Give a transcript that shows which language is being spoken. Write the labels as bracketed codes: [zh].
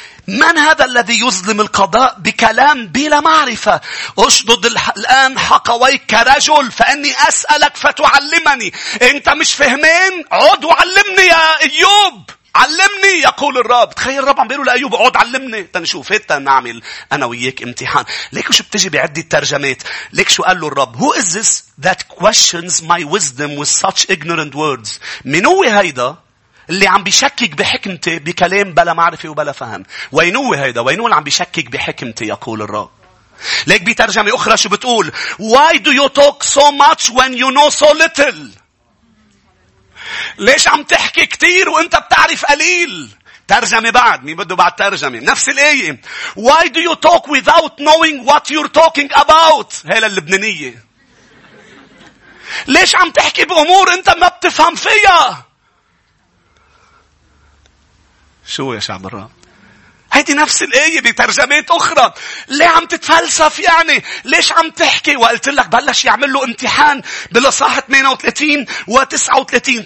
[ar] من هذا الذي يظلم القضاء بكلام بلا معرفة؟ أشدد الآن حقويك كرجل فأني أسألك فتعلمني. أنت مش فهمين؟ عد وعلمني يا أيوب. علمني يقول الرب. تخيل الرب عم بيقول لأيوب عود علمني تنشوف هيتا نعمل أنا وياك امتحان. ليك شو بتجي بعدة ترجمات. ليك شو قال له الرب. [en] Who is this that questions my wisdom with such ignorant words. [ar] من هو هيدا اللي عم بيشكك بحكمتي بكلام بلا معرفة وبلا فهم. وين هو هيدا وين هو اللي عم بيشكك بحكمتي يقول الرب. ليك بترجمة أخرى شو بتقول. [en] Why do you talk so much when you know so little. [ar] ليش عم تحكي كتير وانت بتعرف قليل. ترجمة بعد. مين بده بعد ترجمة. نفس الآية. [en] Why do you talk without knowing what you're talking about. [ar] هيلا اللبنانية. ليش عم تحكي بأمور انت ما بتفهم فيها. شو يا شعب الرب. هيدي نفس الآية بترجمات أخرى. ليه عم تتفلسف يعني؟ ليش عم تحكي؟ وقلت لك بلش يعمل له امتحان بالإصحاح 38 و39.